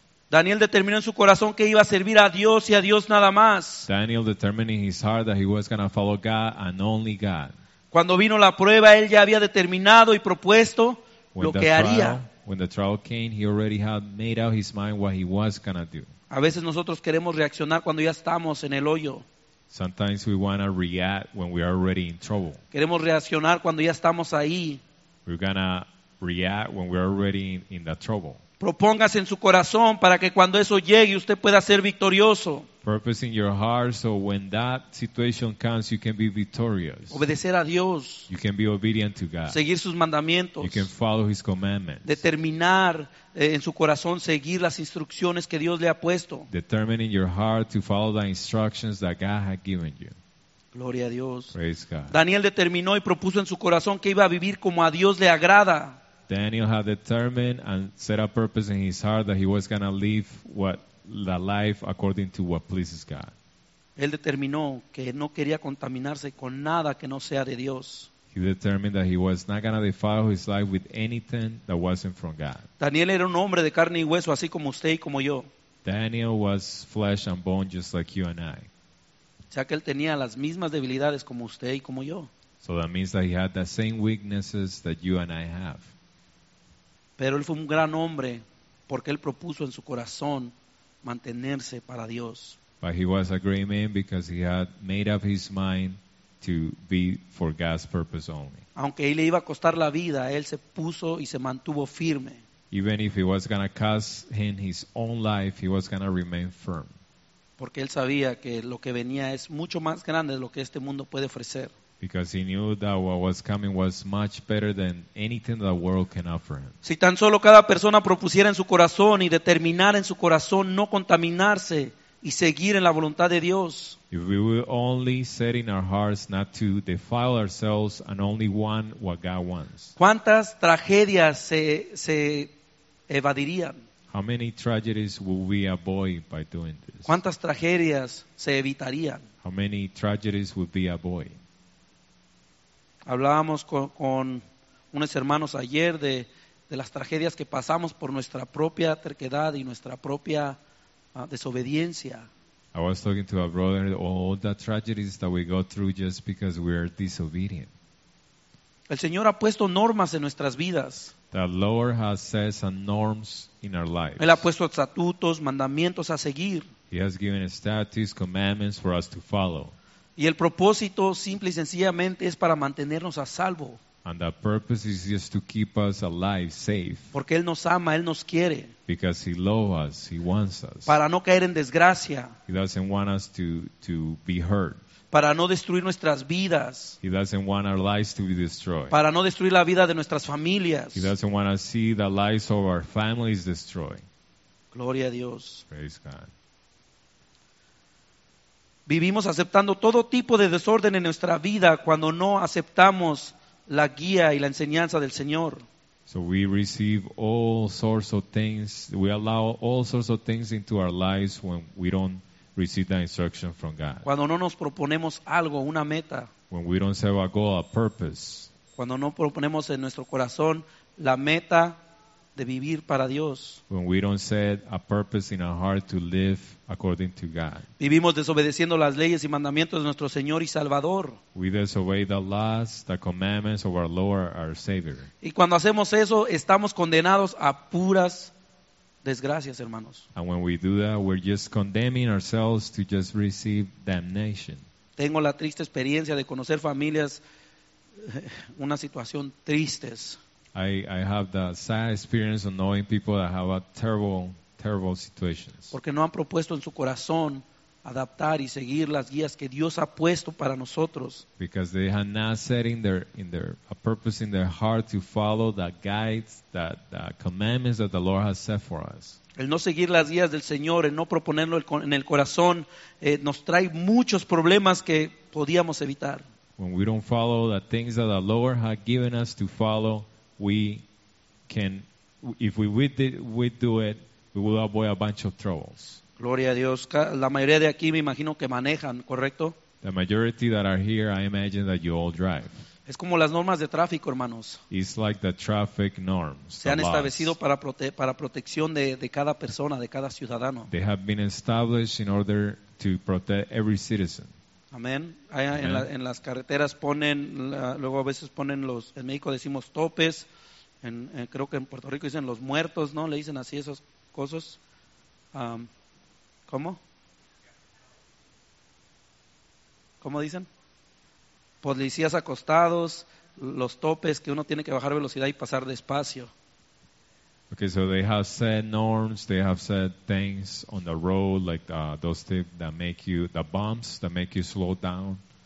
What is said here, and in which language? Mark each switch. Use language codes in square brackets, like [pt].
[es] Daniel determinó en su corazón que iba a servir a Dios y a Dios nada más. [en] Daniel determined in his heart that he was going to follow God and only God. [es] Cuando vino la prueba, él ya había determinado y propuesto lo que haría. [en] When the trial came, he already had made out his mind what he was going to do. [es] A veces nosotros queremos reaccionar cuando ya estamos en el hoyo. [en] Sometimes we want to react when we are already in trouble. [es] Queremos reaccionar cuando ya estamos ahí. [en] We're going to react when we are already in the trouble. [es] Propóngase en su corazón para que cuando eso llegue usted pueda ser victorioso. [en] Purpose in your heart so when that situation comes you can be victorious. [es] Obedecer a Dios. [en] You can be obedient to God. [es] Seguir sus mandamientos. [en] You can follow his commandments. [es] Determinar en su corazón seguir las instrucciones que Dios le ha puesto. [en] Determine in your heart to follow the instructions that God has given you. [es] Gloria a Dios. [en] Praise God. [es] Daniel determinó y propuso en su corazón que iba a vivir como a Dios le agrada. [en] Daniel had determined and set a purpose in his heart that he was going to live the life according to what pleases God. [es] Él determinó que no quería contaminarse con nada que no sea de Dios. [en] He determined that he was not going to defile his life with anything that wasn't from God. [es] Daniel era un hombre de carne y hueso, así como usted y como yo. [en] Daniel was flesh and bone just like you and I. [es] O sea que él tenía las mismas debilidades como usted y como yo. [en] So that means that he had the same weaknesses that you and I have. [es] Pero él fue un gran hombre porque él propuso en su corazón mantenerse para Dios. [en] But he was a great man because he had made up his mind to be for God's purpose only. [es] Aunque él le iba a costar la vida, él se puso y se mantuvo firme. [en] Even if it was going to cost him his own life, he was going to remain firm. [es] Porque él sabía que lo que venía es mucho más grande de lo que este mundo puede ofrecer. [en] Because he knew that what was coming was much better than anything the world can offer him. [es] Si tan solo cada persona propusiera en su corazón y determinara en su corazón no contaminarse y seguir en la voluntad de Dios. [en] If we would only set in our hearts not to defile ourselves and only want what God wants. [es] ¿Cuántas tragedias se evadirían? [en] How many tragedies will we avoid by doing this? [es] ¿Cuántas tragedias se evitarían? [en] How many tragedies would we avoid? [es] Hablábamos con unos hermanos ayer de las tragedias que pasamos por nuestra propia terquedad y nuestra propia desobediencia. [en] I was talking to a brother all the tragedies that we go through just because we are disobedient. [es] El Señor ha puesto normas en nuestras vidas. [en] The Lord has set some norms in our lives. [es] Él ha puesto estatutos, mandamientos a seguir. [en] He has given statutes, commandments for us to follow. [es] Y el propósito, simple y sencillamente, es para mantenernos a salvo. [en] And the purpose is just to keep us alive, safe. [es] Porque Él nos ama, Él nos quiere. [en] Because He loves us, He wants us. [es] Para no caer en desgracia. [en] He doesn't want us to be hurt. [es] Para no destruir nuestras vidas. [en] He doesn't want our lives to be destroyed. [es] Para no destruir la vida de nuestras familias. [en] He doesn't want to see the lives of our families destroyed. [es] Gloria a Dios. [en] Praise God. [es] Vivimos aceptando todo tipo de desorden en nuestra vida cuando no aceptamos la guía y la enseñanza del Señor. [en] So we receive all sorts of things, we allow all sorts of things into our lives when we don't receive the instruction from God. [es] Cuando no nos proponemos algo, una meta. [en] When we don't set a goal, a purpose. [es] Cuando no proponemos en nuestro corazón la meta de vivir para Dios. [en] When we don't set a purpose in our heart to live according to God. [es] Vivimos desobedeciendo las leyes y mandamientos de nuestro Señor y Salvador. [en] We disobey the laws, the commandments of our Lord, our Savior. [es] Y cuando hacemos eso, estamos condenados a puras desgracias, hermanos. [en] And when we do that, we're just condemning ourselves to just receive damnation. [es] Tengo la triste experiencia de conocer familias, una situación tristes. [en] I have the sad experience of knowing people that have a terrible situations. [es] Porque no han propuesto en su corazón adaptar y seguir las guías que Dios ha puesto para nosotros. [en] Because they have not set a purpose in their heart to follow the guides, the commandments that the Lord has set for us. [es] El no seguir las guías del Señor, el no proponerlo en el corazón, nos trae muchos problemas que podíamos evitar. [en] When we don't follow the things that the Lord has given us to follow, we can, if we do it, we will avoid a bunch of troubles. [es] Gloria a Dios. La mayoría de aquí me imagino que manejan, ¿correcto? [en] The majority that are here, I imagine that you all drive. [es] Es como las normas de tráfico, hermanos. [en] It's like the traffic norms. [es] Se han establecido para protección de cada persona, de cada ciudadano. [en] They have been established in order to protect every citizen. [es] Amén. En las carreteras ponen, luego a veces ponen los, en México decimos topes, creo que en Puerto Rico dicen los muertos, ¿no? Le dicen así esas cosas. ¿Cómo? ¿Cómo dicen? Policías acostados, los topes, que uno tiene que bajar velocidad y pasar despacio. [en] Okay, so they have set norms, they have set things on the road, like those things that make you, the bumps that make you slow down.